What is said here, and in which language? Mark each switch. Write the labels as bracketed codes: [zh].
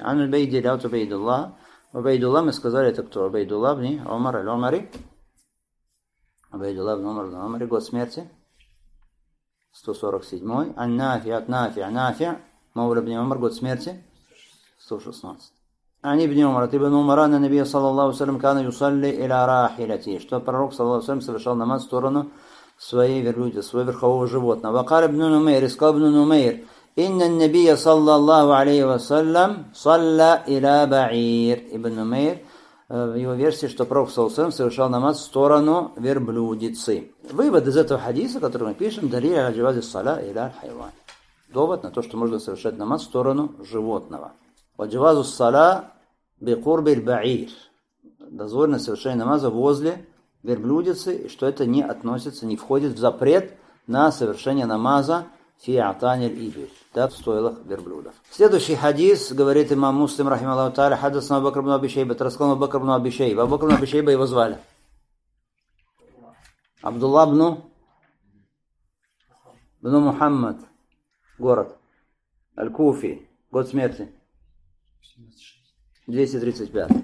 [ru] Ан аль-Байди ля убайдулла, убайдулла, мы сказали, это кто? Убайдулла ибн Умар аль-Умари, убайдулла ибн Умар аль-Умари, год смерти, 147-й, ан-Нафи, ат-Нафи, ан-Нафи, Мавла ибн Умар, год смерти, 116. [ar] عن ابن عمر ابن عمر أن النبي صلى الله عليه وسلم كان يصلي إلى راحلته. [ru] что пророк [ar] صلى الله عليه وسلم [ru] совершал намаз в сторону своей верблюди, своего верхового животного. [ar] وقال ابن نمير قال ابن نمير إن النبي صلى الله عليه وسلم صلى إلى بعير. [ru] ابن نمير в его версии, что пророк [ar] صلى الله عليه وسلم [ru] совершал намаз в сторону верблюдицы. Вывод из этого хадиса, который мы пишем, [ar] دليل على جواز الصلاة إلى الحيوان. [ru] Довод на то, что можно совершать намаз в сторону животного. [ar] وجواز الصلاة بقرب البعير. [ru] Дозволено совершение намаза возле верблюдицы, что это не относится, не входит в запрет на совершение намаза [ar] في عطان الإبل. [ru] Да, в стойлах верблюдов. Следующий хадис говорит имам Муслим [ar] رحمه الله تعالى حدثنا أبو بكر بن أبي شيبة [ru] رسول الله بكر بن أبي شيبة أبو بكر بن أبي شيبة его звали عبد الله بن محمد город الكوفي год смерти 235.